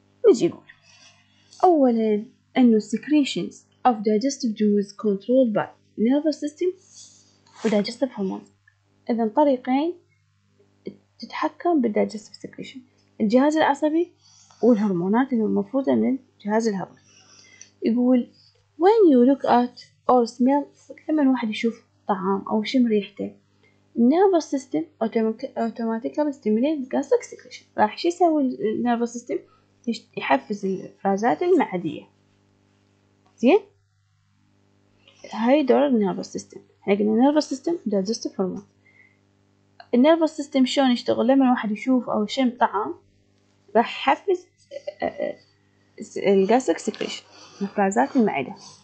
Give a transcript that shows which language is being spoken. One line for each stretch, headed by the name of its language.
Arabic: نجي نقول أولا أنه
English: secretions of digestive juice controlled by nervous system and digestive hormones.
Arabic: إذن طريقين تتحكم بالdigestive secretion، الجهاز العصبي والهرمونات المفروضة من الجهاز الهضمي.
English: يقول when you look at or smell،
Arabic: لما واحد يشوف طعام أو شم ريحته،
English: nervous system automatically stimulates gastric secretion.
Arabic: راح شو يسوي nervous system؟ يحفز الإفرازات المعدية. زين؟ هاي دور nervous system.
English: هيقول nervous system digestive hormone.
Arabic: nervous system شلون يشتغل؟ لما واحد يشوف أو شم طعام، راح يحفز الجاستريك سيكريشن، الإفرازات المعدة.